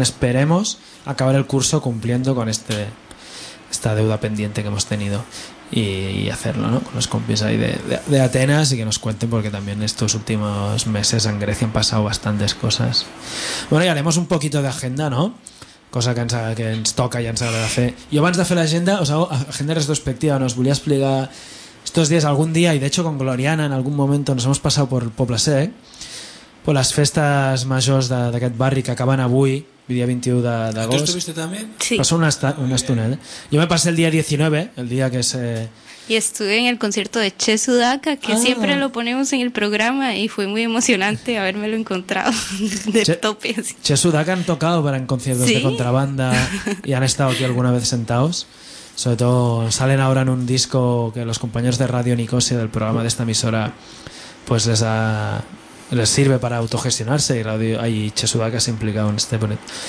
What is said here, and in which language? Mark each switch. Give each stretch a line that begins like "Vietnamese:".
Spanish: Esperemos acabar el curso cumpliendo con esta deuda pendiente que hemos tenido y hacerlo, ¿no?, con los compis ahí de Atenas, y que nos cuenten, porque también estos últimos meses en Grecia han pasado bastantes cosas. Bueno, y haremos un poquito de agenda, ¿no?, cosa que
Catalan: ens toca i ens agrada fer. Jo abans de fer l'agenda, us
Spanish: hago
Catalan: agenda retrospectiva, no? Us volia explicar estos dies algun dia, i
Spanish: de hecho con Gloriana
Catalan: en algun moment ens hem passat per el Poble Sec, per les festes majors d'aquest barri que acaben avui, dia 21 d'agost.
Spanish: Tu estuviste també? Sí.
Catalan: Passó una estona, eh? Jo me passé el dia 19, el dia que se...
Spanish: Y estuve en el concierto de Che Sudaca, que siempre lo ponemos en el programa, y fue muy emocionante habérmelo encontrado de tope. Che Sudaca han tocado para en conciertos, ¿sí?, de Contrabanda, y han estado aquí alguna vez sentados. Sobre todo salen ahora en un disco que los compañeros de Radio Nicosia, del programa de esta emisora, pues les sirve para autogestionarse, y Che Sudaca se ha implicado en este proyecto.